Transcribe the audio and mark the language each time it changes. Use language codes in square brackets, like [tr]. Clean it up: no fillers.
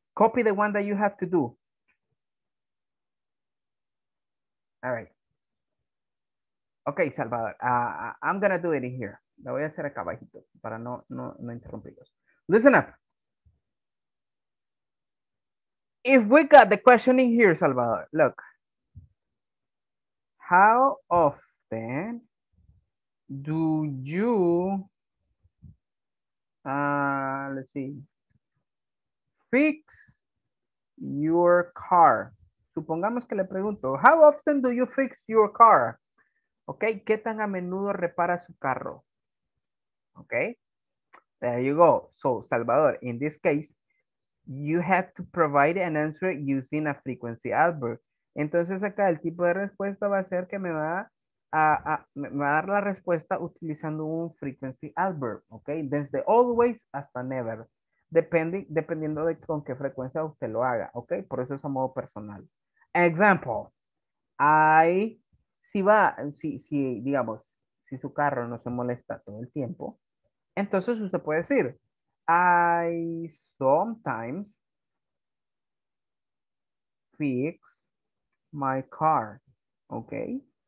[en] Copy the one that you have to do. All right. Okay, Salvador, I'm gonna do it in here. [es] Lo voy a hacer acá abajito para no interrumpirlos. [en] Listen up. If we got the question in here, Salvador, look. How often do you, let's see, fix your car? [es] Supongamos que le pregunto, [en] how often do you fix your car? [es] Okay, ¿qué tan a menudo repara su carro? [en] Okay, there you go. So, Salvador, in this case, you have to provide an answer using a frequency adverb. [es] Entonces acá el tipo de respuesta va a ser que me va a dar la respuesta utilizando un [en] frequency adverb, [es] okay? Desde always hasta never, dependiendo de con qué frecuencia usted lo haga, okay? Por eso es a modo personal. Example, si su carro no se molesta todo el tiempo, entonces usted puede decir, [en] I sometimes fix my car, [es] okay?